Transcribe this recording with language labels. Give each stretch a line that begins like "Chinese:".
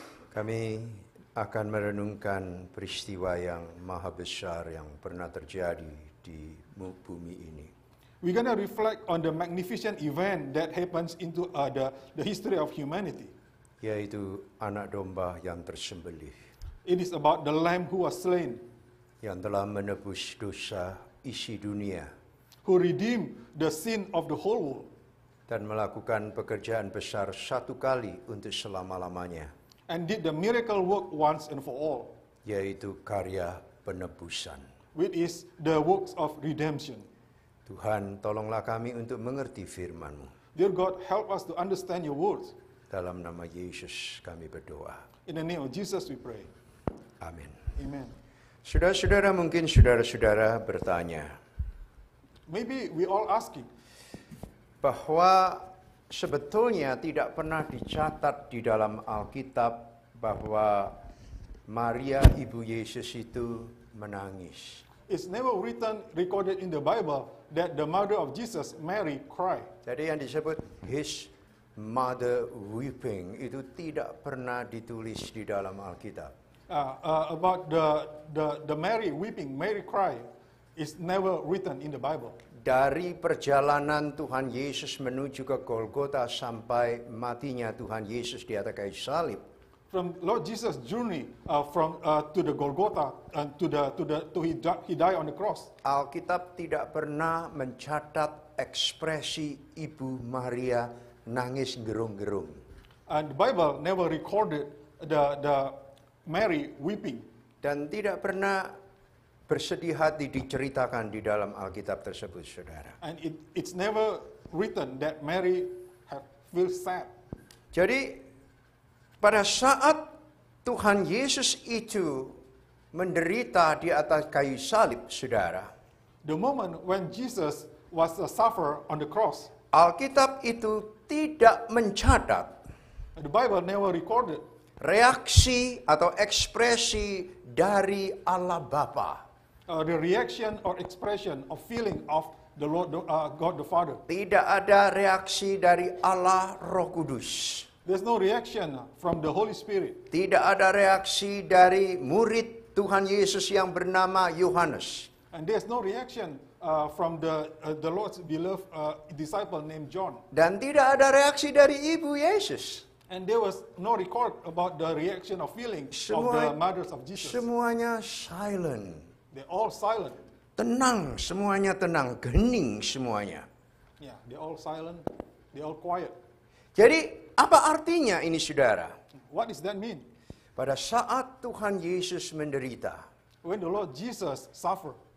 Indonesian: Kami akan merenungkan peristiwa yang maha besar yang pernah terjadi di bumi ini.
English: We're gonna reflect on the magnificent event that happens into the history of humanity.
Indonesian: Yaitu anak domba yang tersembelih.
English: It is about the lamb who was slain.
Indonesian: Yang telah menebus dosa isi dunia.
English: Who redeemed the sin of the whole world.
Indonesian: Dan melakukan pekerjaan besar satu kali untuk selama-lamanya.
English: And did the miracle work once and for all.
Indonesian: Yaitu karya penebusan.
English: Which is the works of redemption.
Indonesian: Tuhan, tolonglah kami untuk mengerti firman-Mu.
English: Dear God, help us to understand your words.
Indonesian: Dalam nama Yesus kami berdoa.
English: In the name of Jesus we pray.
Indonesian: Amin.
English: Amen.
Indonesian: Saudara-saudara, mungkin saudara-saudara bertanya.
English: Maybe we all asking.
Indonesian: Bahwa sebetulnya tidak pernah dicatat di dalam Alkitab bahwa Maria ibu Yesus itu menangis.
English: It's never written recorded in the Bible that the mother of Jesus Mary cried.
Indonesian: Jadi yang disebut
English: his mother weeping
Indonesian: itu tidak pernah ditulis di dalam Alkitab.
English: About the Mary weeping, Mary cry, is never written in the Bible.
Indonesian: Dari perjalanan Tuhan Yesus menuju ke Golgota sampai matinya Tuhan Yesus di atas kayu salib.
English: From Lord Jesus' journey to the Golgota and he died on the cross.
Indonesian: Alkitab tidak pernah mencatat ekspresi Ibu Maria nangis gerung-gerung.
English: And the Bible never recorded the Mary weeping.
Indonesian: Dan tidak pernah bersedih hati diceritakan di dalam Alkitab tersebut, saudara.
English: And it's never written that Mary feel sad.
Indonesian: Jadi pada saat Tuhan Yesus itu menderita di atas kayu salib, saudara.
English: The moment when Jesus was suffer on the cross.
Indonesian: Alkitab itu tidak mencatat.
English: The Bible never recorded.
Indonesian: Reaksi atau ekspresi dari Allah Bapa.
English: The reaction or expression or feeling of the Lord God the Father.
Indonesian: Tidak ada reaksi dari Allah Roh Kudus.
English: There's no reaction from the Holy Spirit.
Indonesian: Tidak ada reaksi dari murid Tuhan Yesus yang bernama Yohanes.
English: And there's no reaction from the Lord's beloved disciple named John.
Indonesian: Dan tidak ada reaksi dari Ibu Yesus.
English: And there was no record about the reaction or feeling of the mothers of Jesus.
Indonesian: Semuanya silent.
English: They're all silent.
Indonesian: Tenang, semuanya tenang, gening semuanya.
English: Yeah, they all silent, they all quiet.
Indonesian: Jadi, apa artinya ini saudara?
English: What does that mean?
Indonesian: Pada saat Tuhan Yesus menderita.
English: When the Lord Jesus suffered.